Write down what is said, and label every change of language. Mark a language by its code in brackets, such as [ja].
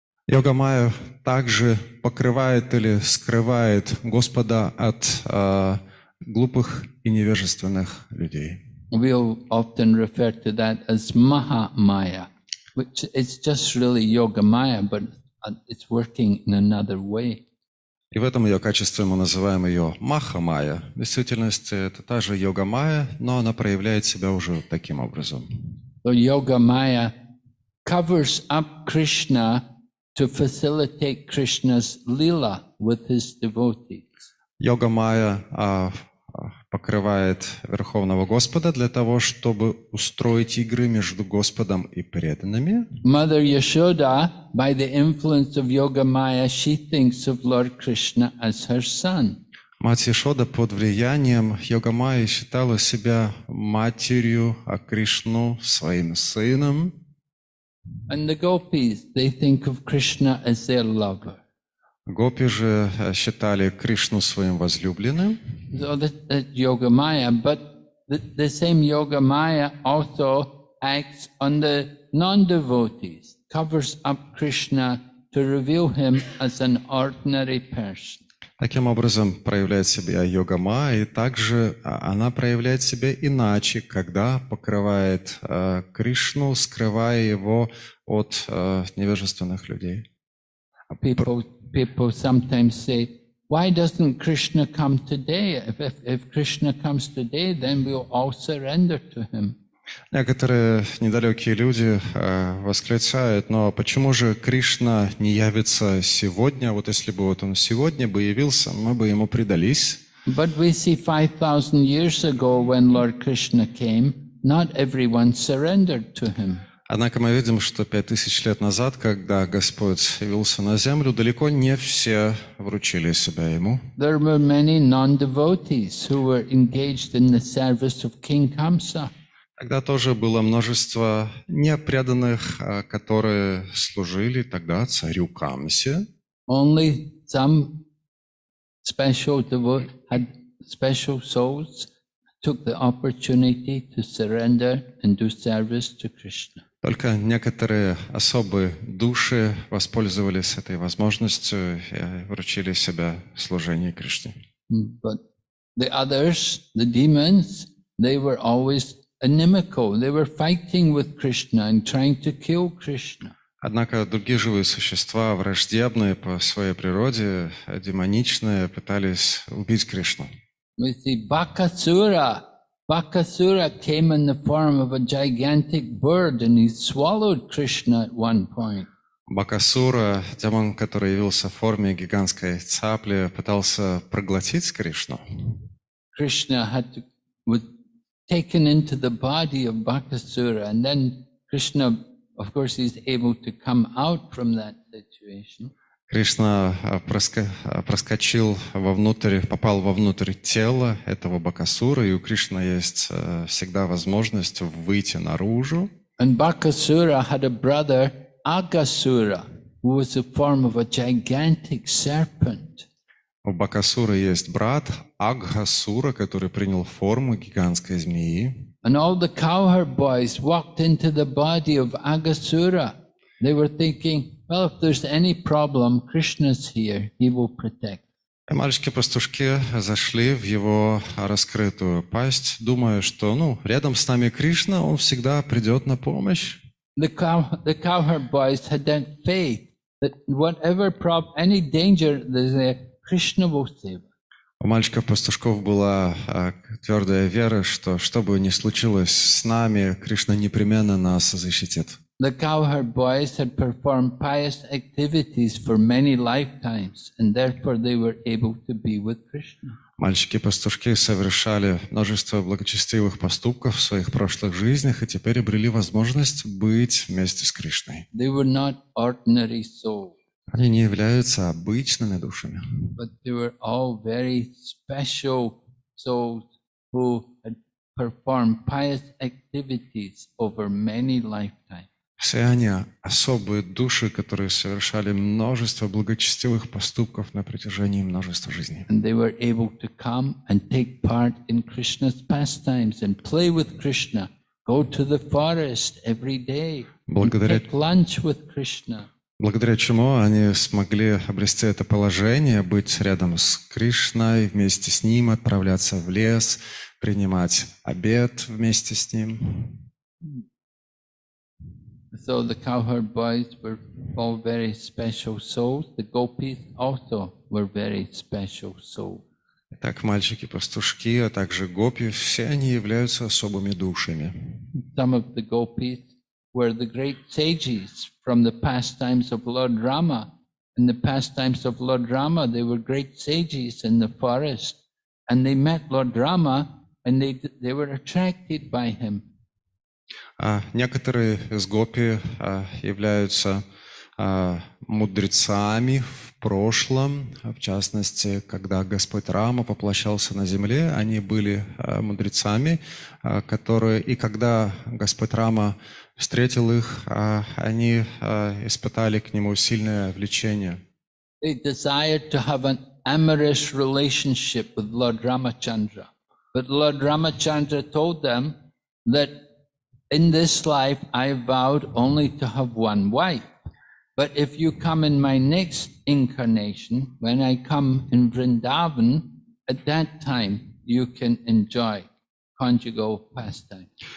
[ru] Йога Майя также покрывает или скрывает Господа от глупых и невежественных людей. [en] We often refer to that as Maha Maya, which it's just really Yoga Maya, but it's working in another way. [ru] И в этом ее качестве мы называем ее Маха-майя. В действительности это та же Йога-майя, но она проявляет себя уже таким образом. [en] Йога-майя covers up Krishna to facilitate Krishna's lila with his devotees. [ru] Йога-майя покрывает Верховного Господа для того, чтобы устроить игры между Господом и преданными. [en] Mother Yashoda, by the influence of Yoga Maya, she thinks of Lord Krishna as her son. [ru] Мать Яшода под влиянием Йога Майи считала себя матерью, а Кришну своим сыном. [en] And the gopis, they think of Krishna as their lover. [ru] Гопи же считали Кришну своим возлюбленным. [en] So that Yoga Maya, but the same Yoga Maya also acts on the non-devotees, covers up Krishna to reveal him as an ordinary person. [ru] Таким образом проявляет себя Йога Майя, и также она проявляет себя иначе, когда покрывает Кришну, скрывая его от невежественных людей. [en] People sometimes say, why doesn't Krishna come today? If Krishna comes today, then we'll all surrender to him. [ru] Некоторые недалекие люди восклицают, но почему же Кришна не явится сегодня? Вот если бы вот он сегодня бы явился, мы бы ему предались. [en] But we see 5,000 years ago, when Lord Krishna came, not everyone surrendered to him. [ru] Однако мы видим, что 5000 лет назад, когда Господь явился на землю, далеко не все вручили себя Ему. [en] There were many non-devotees who were engaged in the service of King Kamsa. [ru] Тогда тоже было множество непреданных, которые служили тогда царю Камсе. [en] Only some special devotees had special souls, took the opportunity to surrender and do service to Krishna. [ru] Только некоторые особые души воспользовались этой возможностью и вручили себя служению Кришне. [en] But the others, the demons, they were always inimical. They were fighting with Krishna and trying to kill Krishna. [ru] Однако другие живые существа, враждебные по своей природе, демоничные, пытались убить Кришну. [en] We see Bakasura. Bakasura came in the form of a gigantic bird and he swallowed Krishna at one point. [ru] Бакасура, демон, который явился в форме гигантской цапли, пытался проглотить Кришну. [en] Krishna was taken into the body of Bakasura, and then Krishna, of course, is able to come out from that situation. [ru] Кришна проскочил вовнутрь, попал вовнутрь тела этого Бакасура, и у Кришны есть всегда возможность выйти наружу. [en] And Bakasura had a brother, Agasura, who was the form of a gigantic serpent. [ru] У Бакасура есть брат, Агасура, который принял форму гигантской змеи. [en] And all the cowherd boys walked into the body of Agasura. They were thinking, well, if there's any problem, Krishna's here, he will protect. [ru] Мальчики-пастушки зашли в его раскрытую пасть, думая, что, ну, рядом с нами Кришна, он всегда придет на помощь. [en] The cowherd boys had that faith That whatever problem, any danger, there's a Krishna will save. [ru] У мальчиков-пастушков была твердая вера, что бы ни случилось с нами, Кришна непременно нас защитит. [en] The cowherd boys had performed pious activities for many lifetimes, and therefore they were able to be with Krishna. [ru] Мальчики-пастушки совершали множество благочестивых поступков в своих прошлых жизнях и теперь обрели возможность быть вместе с Кришной. [en] They were not ordinary souls. [ru] Они не являются обычными душами. [en] But they were all very special souls who had performed pious activities over many lifetimes. [ru] Все они особые души, которые совершали множество благочестивых поступков на протяжении множества жизней. [en] And they were able to come and take part in Krishna's pastimes and play with Krishna, go to the forest every day, take lunch with Krishna. [ru] Благодаря чему они смогли обрести это положение, быть рядом с Кришной, вместе с Ним, отправляться в лес, принимать обед вместе с Ним. [en] So the cowherd boys were all very special souls. The gopis also were very special souls. [ru] Так мальчики-пастушки, а также гопи, все они являются особыми душами. [en] Some of the gopis were the great sages from the pastimes of Lord Rama. In the pastimes of Lord Rama, they were great sages in the forest, and they met Lord Rama, and they were attracted by him. [ru] Некоторые из гопи являются мудрецами в прошлом, в частности, когда Господь Рама воплощался на земле, они были мудрецами, которые, и когда Господь Рама встретил их, они испытали к нему сильное влечение. [en] They desired to have an amorous relationship with Lord Ramachandra. But Lord Ramachandra told them that in this life I vowed only to have one wife. But if you come in my next incarnation, when I come in Vrindavan, at that time you can enjoy conjugal pastime.